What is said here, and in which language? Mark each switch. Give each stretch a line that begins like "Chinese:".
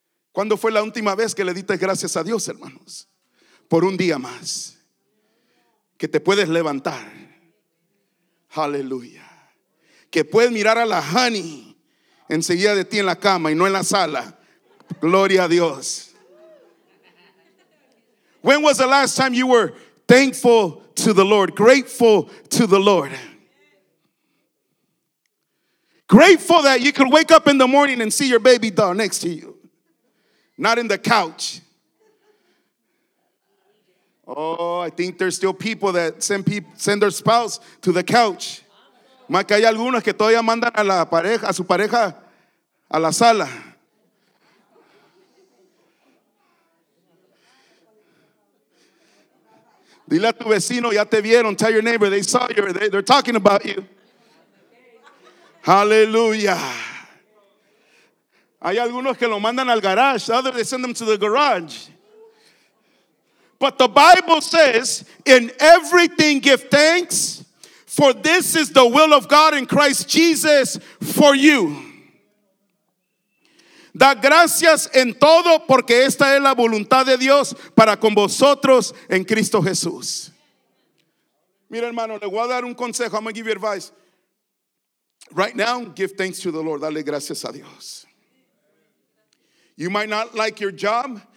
Spanish: ¿Cuándo fue la última vez que le diste gracias a Dios, hermanos? Por un día más. Que te puedes levantar. Aleluya. Que puedes mirar a la honey enseguida de ti en la cama y no en la sala. Gloria a Dios.
English: When was the last time you were thankful to the Lord, grateful to the Lord. Grateful that you could wake up in the morning and see your baby doll next to you, not in the couch. Oh, I think there's still people that send their spouse to the couch.
Spanish: Más que hay algunos que todavía mandan a la pareja, a su pareja, a la sala. Dile a tu vecino, ya te vieron.
English: Tell your neighbor, they saw you. They're talking about you. Hallelujah.
Spanish: Hay algunos que lo mandan al garage.
English: Others, they send them to the garage. But the Bible says, in everything give thanks, for this is the will of God in Christ Jesus for you.
Spanish: Da gracias en todo, porque esta es la voluntad de Dios para con vosotros en Cristo Jesús. Mira, hermano, le voy a dar un consejo.
English: I'm going to give you advice. Right now, give thanks to the Lord.
Spanish: Dale gracias a Dios.
English: You might not like your job.